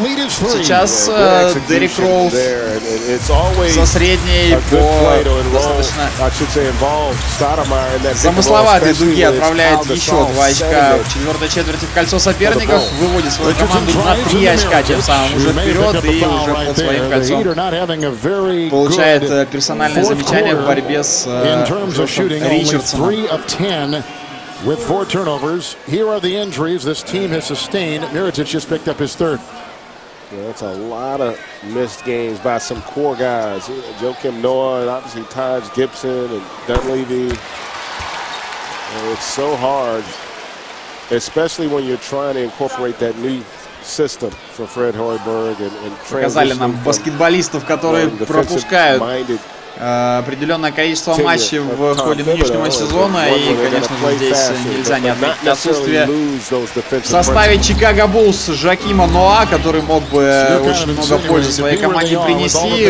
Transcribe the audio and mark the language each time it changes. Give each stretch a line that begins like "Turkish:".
Russian: Сейчас Дерек Роуз со средней по достаточно замысловатой дуге отправляет еще 2 очка в четвертой четверти в кольцо соперников, выводит свою команду на 3 очка, тем самым уже вперед и уже под своим кольцом получает персональное замечание в борьбе с Ричардсоном.
English: With 4 turnovers, here are the injuries this team has sustained. Miritich just picked up his third. Yeah, that's a lot of missed games by some core guys. Yeah, Joakim Noah and obviously Taj Gibson and Dunleavy. And it's so hard, especially when you're trying to incorporate that new system for Fred Hoiberg and transitioning.
Russian: Показали нам баскетболистов, которые пропускают определенное количество матчей в ходе нынешнего сезона, и, конечно же, здесь нельзя не отметить отсутствие в составе Чикаго Буллс Жакима Ноа, который мог бы очень много пользы своей команде принести.